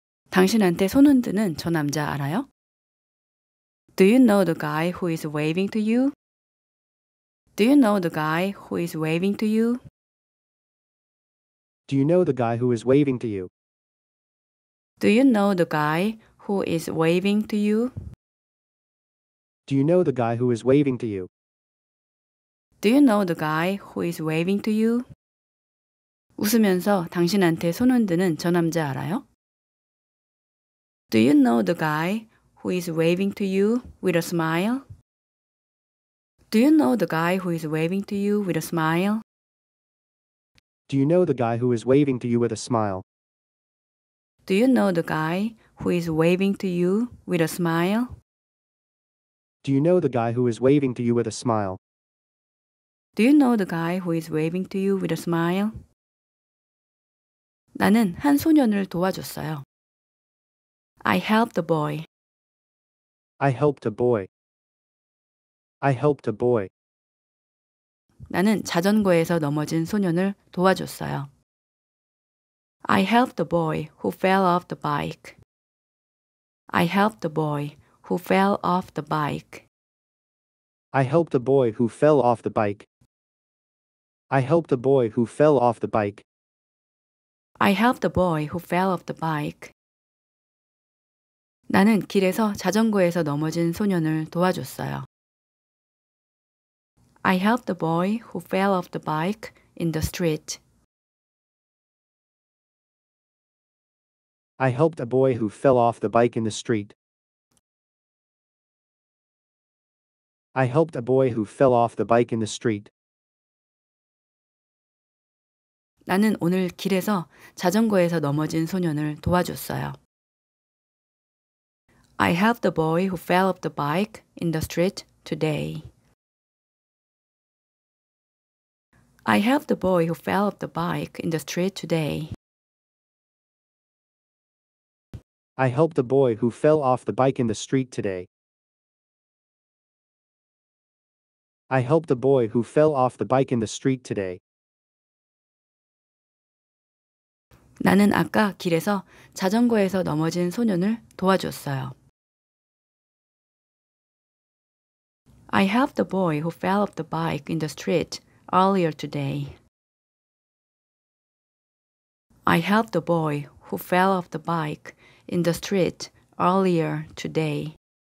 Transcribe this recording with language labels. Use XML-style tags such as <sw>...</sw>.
<ko>당신한테 손 흔드는 저 남자 알아요?</ko> <en>Do you know the guy who is waving to you? Do you know the guy who is waving to you? Do you know the guy who is waving to you? Do you know the guy who is waving to you? Do you know the guy who is waving to you? Do you know the guy who is waving to you?</en> <ko>웃으면서 당신한테 손 흔드는 저 남자 알아요?</ko> <en>Do you know the guy who is waving to you with a smile? Do you know the guy who is waving to you with a smile? Do you know the guy who is waving to you with a smile? Do you know the guy who is waving to you with a smile? Do you know the guy who is waving to you with a smile? Do you know the guy who is waving to you with a smile?</en> <ko>나는 한 소년을 도와줬어요.</ko> <en>I helped a boy. I helped a boy. I helped a boy.</en> <ko>나는 자전거에서 넘어진 소년을 도와줬어요.</ko> <en>I helped a boy who fell off the bike. I helped a boy who fell off the bike. I helped a boy who fell off the bike. I helped a boy who fell off the bike. I helped a boy who fell off the bike.</en> <ko>나는 길에서 자전거에서 넘어진 소년을 도와줬어요.</ko> <en>I helped a boy who fell off the bike in the street. I helped a boy who fell off the bike in the street. I helped a boy who fell off the bike in the street.</en> <ko>나는 오늘 길에서 자전거에서 넘어진 소년을 도와줬어요.</ko> <en>I helped the boy who fell off the bike in the street today. I helped the boy who fell off the bike in the street today. I helped the boy who fell off the bike in the street today. I helped the boy who fell off the bike in the street today.</en> <ko>나는 아까 길에서 자전거에서 넘어진 소년을 도와줬어요.</ko> <en>I helped the boy who fell off the bike in the street earlier today. I helped the boy who fell off the bike in the street earlier today.</en>